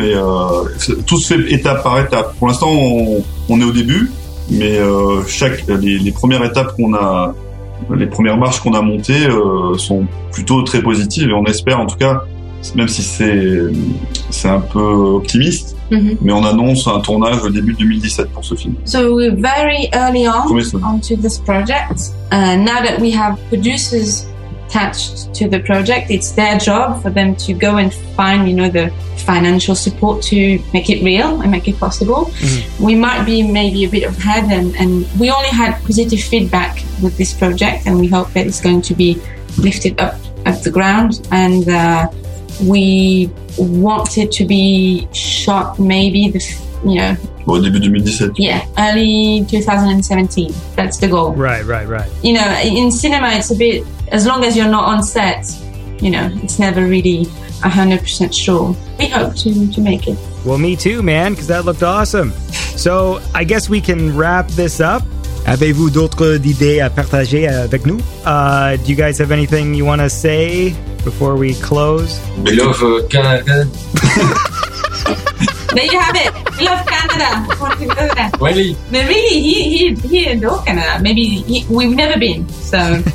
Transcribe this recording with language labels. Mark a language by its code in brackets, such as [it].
[fr] Et tout se fait étape par étape. Pour l'instant, on est au début. Mais les premières étapes qu'on a les premières marches qu'on a montées sont plutôt très positives et on espère en tout cas, même si c'est un peu optimiste, mais on annonce un tournage au début 2017 pour ce film. [en] So we're very early on onto this project. Now that we have producers attached to the project, it's their job for them to go and find, you know, the financial support to make it real and make it possible. Mm-hmm. We might be maybe a bit ahead, and we only had positive feedback with this project, and we hope that it's going to be lifted up off the ground. And we want it to be shot maybe the, you know, well, début 2017. Yeah, early 2017. That's the goal. Right, right, right. You know, in cinema, it's a bit, as long as you're not on set, you know, it's never really 100% sure. We hope to make it. Well, me too, man, because that looked awesome. So I guess we can wrap this up. [fr] Avez-vous d'autres idées à partager avec nous? [en] Do you guys have anything you want to say before we close? We love Canada. There you have it. We love Canada. Really? But really, he adored Canada. Maybe we've never been, so.